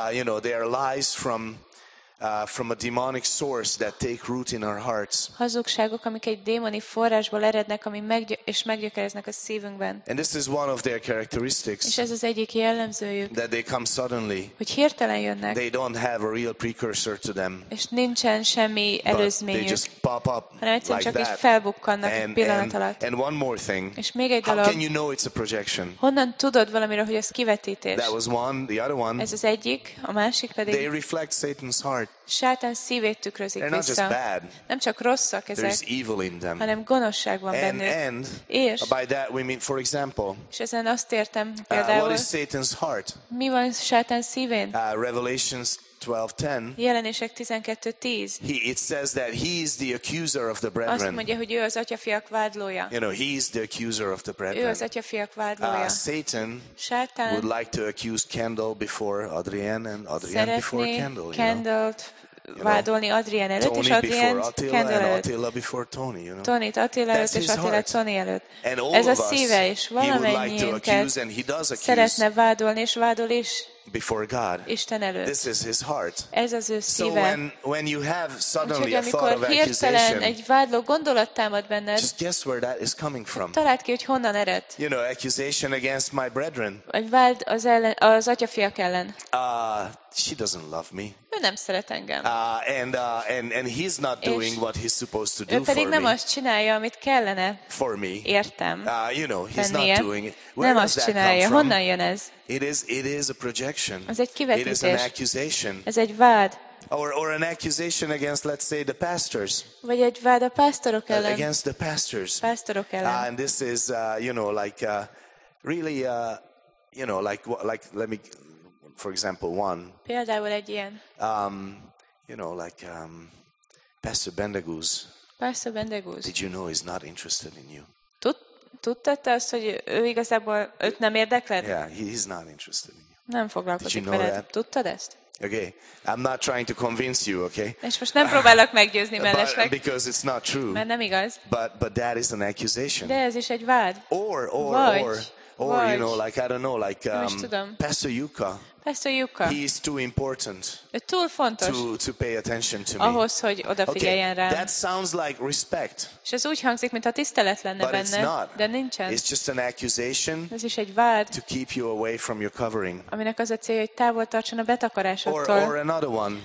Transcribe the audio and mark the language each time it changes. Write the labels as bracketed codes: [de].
[en] You know, they are lies from a demonic source that take root in our hearts. [hu] Hazugságok, amik egy démoni forrásból erednek, ami meggyökereznek a szívünkben. [en] And this is one of their characteristics. [hu] És ez az egyik jellemzőjük. [en] That they come suddenly. [hu] Hogy hirtelen jönnek. [en] They don't have a real precursor to them. [hu] És nincsen semmi előzményük. [en] They just pop up. [hu] Hanem egyszer [en] like [hu] csak [en] that. [hu] Így felbukkannak egy pillanat alatt. [en] And one more thing. [hu] És még egy dolog. [en] How can you know it's a projection? [hu] Honnan tudod valamire, hogy ez kivetítés? [en] That was one. The other one. [hu] Ez az egyik, a másik pedig. [en] They reflect Satan's heart. [hu] Sátán szívét tükrözik vissza. Nem csak rosszak ezek, hanem gonoszság van bennük. [en] And [hu] és [en] by that we mean, for example, [hu] és ezen azt értem például, [en] what is Satan's heart? [hu] Mi van Sátán szívén? [en] Revelations 12:10. [hu] Jelenések 12:10. [en] It says that he is the accuser of the brethren. [hu] Azt mondja, hogy ő az atyafiak vádlója. [en] You know, he is the accuser of the brethren. [hu] Ő az atyafiak vádlója. [en] Satan would like to accuse Kendall before Adrienne and Adrienne before Kendall. [hu] Kendallt vádolni Adrienne előtt, Tony és Adrienne Kendall előtt. [en] Attila before Tony, you know. [hu] Tonyt Attila előtt, és Attila Tony előtt. [en] And [hu] ez a szíve is valamennyinket szeretne vádolni, és vádol is. [en] Before God. [hu] Isten előtt. [en] This is his heart. [hu] Ez az ő szíve. [en] So when you have suddenly a thought of [hu] accusation, egy vádló gondolat támad benned, [en] just guess where that is coming from. [hu] Találd ki, hogy honnan ered. [en] You know, accusation against my brethren. [hu] Egy vád az ellen, az atyafiak ellen. [en] She doesn't love me. [hu] Ő nem szeret engem. [en] And he's not doing what he's supposed to do for me. [hu] Ő pedig nem azt csinálja, amit kellene. [en] For me. [hu] Értem. [en] You know, he's tennie. Not doing it. Where [hu] nem azt csinálja. Honnan jön ez? [en] It is a projection. [hu] Ez egy kivetítés. [en] It is an accusation. [hu] Ez egy vád. [en] Or an accusation against, let's say, the pastors. [hu] Vagy egy vád a pásztorok ellen. [en] Against the pastors. [hu] Pásztorok ellen. [en] And this is, you know, like, really, you know, like, let me for example, one. [hu] Például egy ilyen. [en] You know, like Pastor Bendegúz. [hu] Pastor Bendegúz. [en] Did you know he's not interested in you? [hu] Tudtad te azt, hogy ő igazából őt nem érdekled? [en] Yeah, he's not interested in you. [hu] Nem foglalkozik [en] you know [hu] veled. That? Tudtad ezt? [en] Okay, I'm not trying to convince you, okay? [hu] És most nem próbálok meggyőzni mellesleg. [en] Because it's not true. [hu] Mert nem igaz. [en] But that is an accusation. [hu] De ez is egy vád. [en] Or you know, like I don't know, like Pastor Yuka. [hu] Pastor Yuka. [en] He is too important. [hu] Ő túl fontos. [en] To pay attention to me. [hu] Ahhoz, hogy odafigyeljen rám. [en] That sounds like respect. [hu] És ez úgy hangzik, mint a tisztelet lenne [en] but [hu] benne. [en] But it's not. [hu] De nincsen. [en] It's just an accusation. [hu] Ez is egy vád. [en] To keep you away from your covering. [hu] Aminek az a célja, hogy távol tartson a betakarásodtól. [en] Or another one.